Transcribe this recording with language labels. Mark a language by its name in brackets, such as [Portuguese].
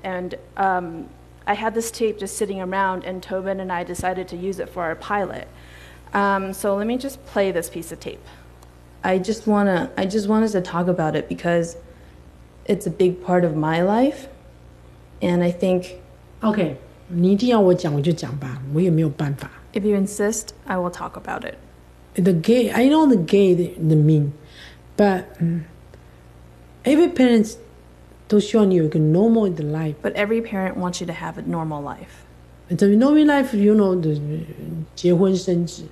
[English] And I had this tape just sitting around, and Tobin and I decided to use it for our pilot. So let me just play this piece of tape. I just wanted to talk about it because it's a big part of my life, and I think. [Chinese] Okay, 你一定要我讲，我就讲吧，我也没有办法。 [English] If you insist, I will talk about it. The gay, I know the gay, the mean, but every parent [Chinese] 都希望你有一个 [English] normal 的 life. But every parent wants you to have a normal life. The normal life, you know, the [Chinese] 结婚生子,